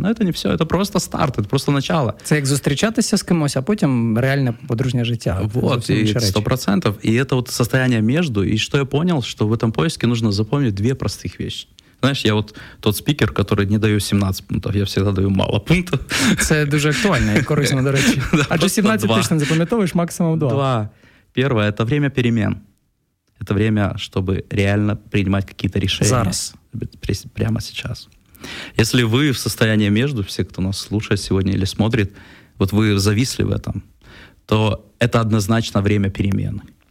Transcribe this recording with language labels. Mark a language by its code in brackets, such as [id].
[ru] Но это не все, это просто старт, это просто начало. Это как встречаться с кем-то, а потом реально подружнее життя. Вот, и 100%. И это вот состояние между. И что я понял, что в этом поиске нужно запомнить две простых вещи. Знаешь, я вот тот спикер, который не даю 17 пунктов, я всегда даю мало пунктов. [uk] Це дуже актуально і корисно, до речі. Адже 17 точно запам'ятовуєш, максимум 2. Два. [ru] Первое — это время перемен. Это время, чтобы реально принимать какие-то решения. [uk] Зараз. [ru] Прямо сейчас. Если вы в состоянии между, все, кто нас слушает сегодня или смотрит, вот вы зависли в этом, то это однозначно время перемен.